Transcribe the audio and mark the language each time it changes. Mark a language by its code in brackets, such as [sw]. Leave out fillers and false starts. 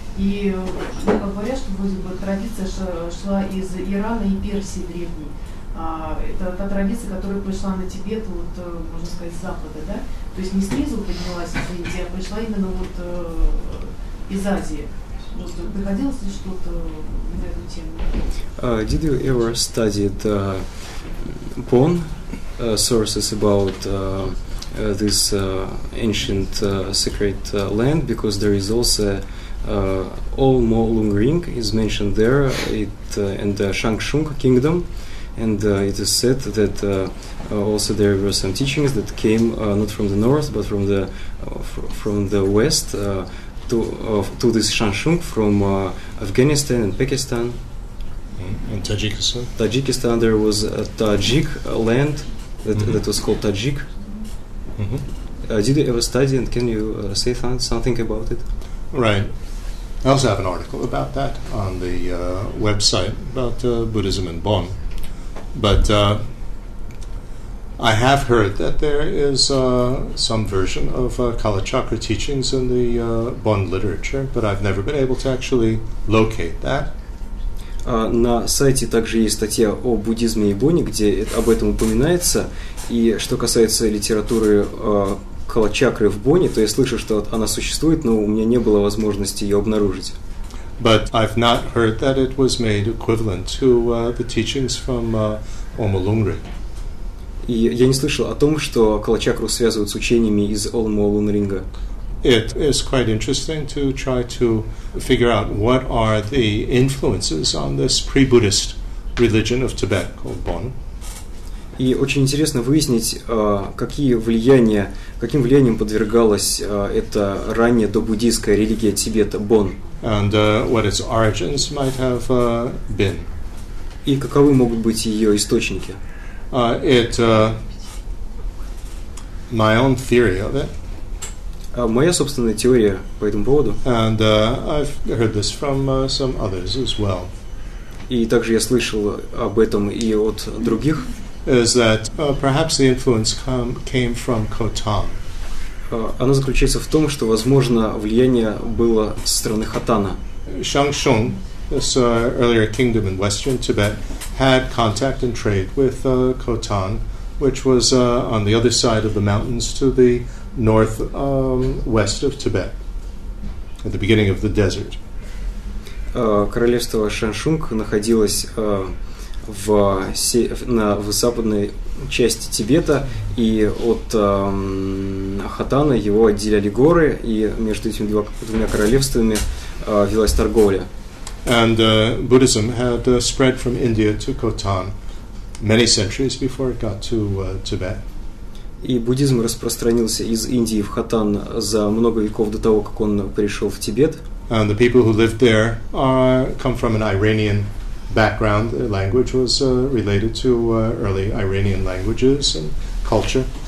[ru] И ну, как говорят, что вроде бы традиция шла из Ирана и Персии древней. Это та традиция, которая пришла на Тибет, вот, можно сказать, с запада, да? То есть не снизу поднялась из Индии, а пришла именно вот из Азии. Вот, приходилось ли что-то на эту тему? [en] Did you ever study the Bon sources about this ancient sacred land, because there is also Ol Mo Lung Ring is mentioned there, it and the Shangshung kingdom, and it is said that also there were some teachings that came not from the north but from the from the west to this Shangshung from Afghanistan and Pakistan and Tajikistan. Tajikistan, there was a Tajik land that that was called Tajik. Did you ever study, and can you say something about it? Right. I also have an article about that on the website about Buddhism in Bonn. But I have heard that there is some version of Kalachakra teachings in the Bonn literature, but I've never been able to actually locate that. [ru] На сайте также есть статья о буддизме и Бонне, где об этом упоминается. И что касается литературы Калачакры в Бонне, то я слышу, что она существует, но у меня не было возможности ее обнаружить. [en] But I've not heard that it was made equivalent to the teachings from Omolungri. [ru] И я не слышал о том, что Калачакру связывают с учениями из Омолунринга. [en] It is quite interesting to try to figure out what are the influences on this pre-Buddhist religion of Tibet called Bon. [ru] И очень интересно выяснить, какие влияния, каким влиянием подвергалась эта ранняя добуддийская религия Тибета Бон. [en] And what its origins might have been. [ru] И каковы могут быть ее источники? [en] My own theory of it. [ru] Моя собственная теория по этому поводу. [en] And I've heard this from some others as well. [ru] И также я слышал об этом и от других. [en] Is that perhaps the influence came from Khotan? [ru] Оно заключается в том, что, возможно, влияние было со стороны Хотана. [en] Shangshung, this earlier kingdom in western Tibet, had contact and trade with Khotan which was on the other side of the mountains to the north west of Tibet, at the beginning of the desert. [ru] Королевство Шаншунг находилось в западной части Тибета, и от Хотана его отделяли горы, и между этими двумя королевствами велась торговля. [en] And Buddhism had spread from India to Khotan many centuries before it got to Tibet. [ru] И буддизм распространился из Индии в Хотан за много веков до того, как он пришел в Тибет. [en] And the people who lived there come from an Iranian background. Their language was related to early Iranian languages and culture.